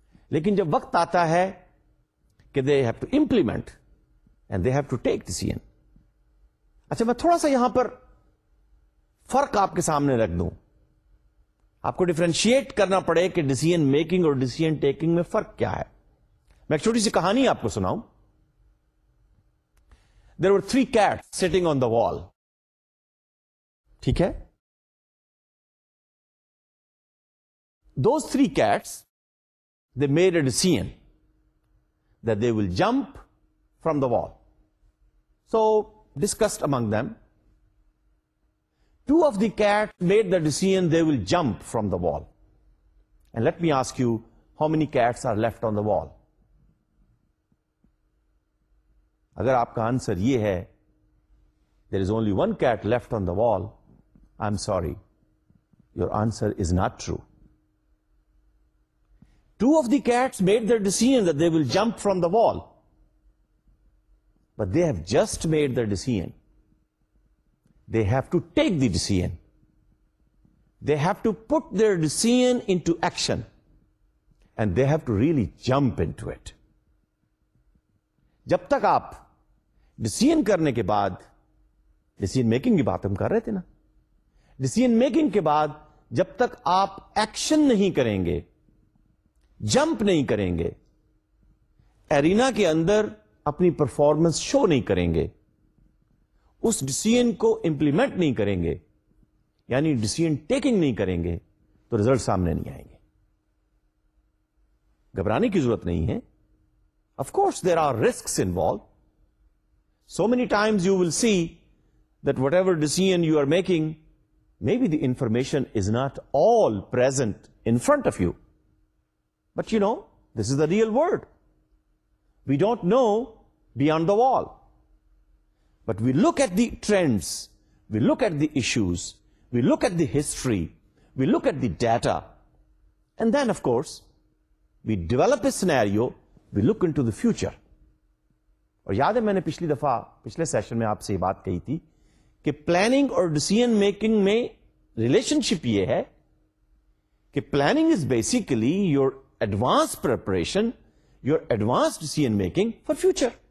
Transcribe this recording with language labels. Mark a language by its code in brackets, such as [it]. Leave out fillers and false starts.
[ur] لیکن جب وقت آتا ہے کہ [en] They have to implement and they have to take decision. [ur] اچھا, میں تھوڑا سا یہاں پر فرق آپ کے سامنے رکھ دوں. آپ کو ڈیفرنشیٹ کرنا پڑے کہ ڈیسیژن میکنگ اور ڈیسیژن ٹیکنگ میں فرق کیا ہے. میں ایک چھوٹی سی کہانی آپ کو سناؤں. [en] There were three cats sitting on the wall. [ur] ٹھیک ہے. [en] Those three cats, they made a decision that they will jump from the wall. So, discussed among them, two of the cats made the decision they will jump from the wall. And let me ask you, how many cats are left on the wall? [ur] اگر آپ کا answer یہ ہے, [en] there is only one cat left on the wall, I'm sorry, your answer is not true. Two of the cats made their decision that they will jump from the wall, but they have just made their decision. They have to take the decision. They have to put their decision into action, and they have to really jump into it. [ur] جب تک آپ decision کرنے کے بعد, decision making کی بات ہم کر رہے تھے نا, ڈیسیژن میکنگ کے بعد جب تک آپ ایکشن نہیں کریں گے, جمپ نہیں کریں گے, ایرینا کے اندر اپنی پرفارمنس شو نہیں کریں گے, اس ڈیسیژن کو امپلیمنٹ نہیں کریں گے, یعنی ڈیسیژن ٹیکنگ نہیں کریں گے, تو ریزلٹ سامنے نہیں آئیں گے. گھبرانے کی ضرورت نہیں ہے. [en] Of course there are risks involve. So many times you will see that whatever decision you are making, maybe the information is not all present in front of you. But you know, this is the real world. We don't know beyond the wall. But we look at the trends, we look at the issues, we look at the history, we look at the data, and then of course, we develop a scenario, we look into the future. [ur] اور یاد ہے میں نے پچھلی دفعہ پچھلے session میں آپ سے یہ بات کہی تھی کہ پلاننگ اور ڈیسیژن میکنگ میں ریلیشن شپ یہ ہے کہ [en] Planning is basically your advance preparation, your advance decision making for future.